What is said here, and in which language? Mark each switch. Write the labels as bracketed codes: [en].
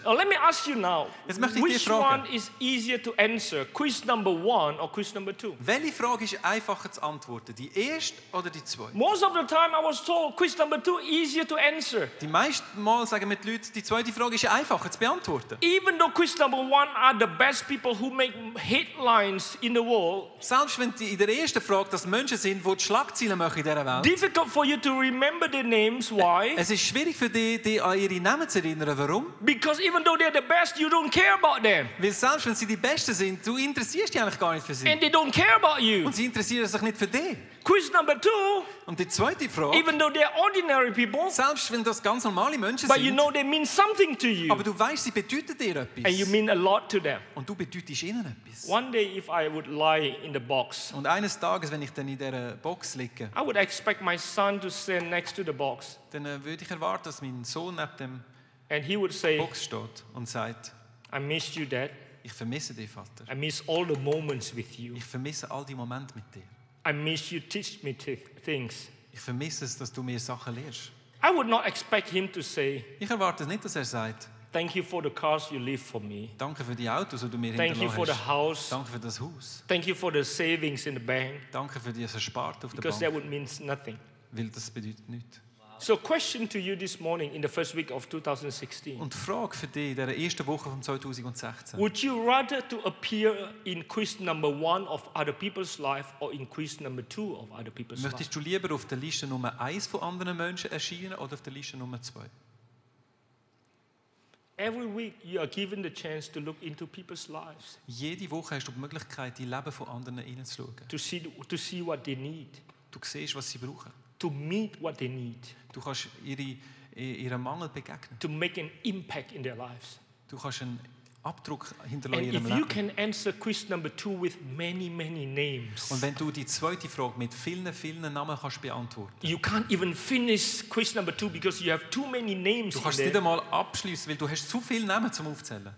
[en] Now let me ask you now. [de] Jetzt möchte ich dich fragen. [en] Which one is easier to answer? Quiz number one or quiz number two? [de] Welche Frage ist einfacher zu antworten? Die erste oder die zweite? [en] Most of the time I was told quiz number two easier to answer. [de] Die meisten Mal sagen mit Leuten, die zweite Frage ist einfacher zu beantworten. [en] Even though quiz number one are the best people who make headlines in the world. [de] Selbst wenn die in der ersten Frage das Menschen sind, die Schlagzeilen machen in dieser Welt. [en] Difficult for you to remember their names. Why? [de] Es ist schwierig für die an ihre Namen zu erinnern. Warum? [en] Because even though they're the best, you don't care about them. [de] Weil selbst wenn sie die Besten sind, du interessierst dich eigentlich gar nicht für sie. [en] And they don't care about you. [de] Und sie interessieren sich nicht für dich. [en] Quiz number two. [de] Und die zweite Frage. [en] Even though they're ordinary people. [de] Selbst wenn das ganz normale Menschen [en] but [de] sind. [en] But you know they mean something to you. [de] Aber du weißt, sie bedeuten dir etwas. [en] And you mean a lot to them. [de] Und du bedeutest ihnen etwas. [en] One day if I would lie in the box. [de] Und eines Tages, wenn ich dann in der Box liege. [en] I would expect my son to stand next to the box. [de] Dann würde ich erwarten, dass mein Sohn neben dem [en] and he would say, [de] Box steht und sagt. [en] I missed you, Dad. [de] Ich vermisse dich, Vater. [en] I miss all the moments with you. [de] Ich vermisse all die Momente mit dir. [en] I miss you teach me things. [de] Ich vermisse es, dass du mir Sachen lehrst. [en] I would not expect him to say. [de] Ich erwarte nicht, dass sagt. [en] Thank you for the cars you leave for me. [de] Danke für die Autos, die du mir [en] thank you for [de] hast. [en] The house. [de] Danke für das Haus. [en] Thank you for the savings in the bank. [de] Danke für das Ersparte auf der Bank. [en] Because that would mean nothing. [de] Weil das bedeutet nicht. [en] So question to you this morning in the first week of 2016. [de] Und Frage für dich in der ersten Woche von 2016. [en] Would you rather to appear in quiz number one of other people's life or in quiz number two of other people's life? [de] Möchtest du lieber auf der Liste Nummer 1 von anderen Menschen erscheinen oder auf der Liste Nummer 2? [en] Every week you are given the chance to look into people's lives. [de] Jede Woche hast du die Möglichkeit, die Leben von anderen hineinzuschauen. [en] To see what they need. [de] Du siehst, was sie brauchen. [en] To meet what they need. [de] Du kannst ihren Mangel begegnen. To make an impact in their lives. Du kannst einen Abdruck hinterlassen in ihrem Leben. [en] If you can answer quiz number two with many, many names. [de] Und wenn du die zweite Frage mit vielen, vielen Namen kannst beantworten. [en] You can't even finish quiz number two because you have too many names. [de] Du kannst nicht einmal abschließen, weil du hast zu viele Namen zum Aufzählen.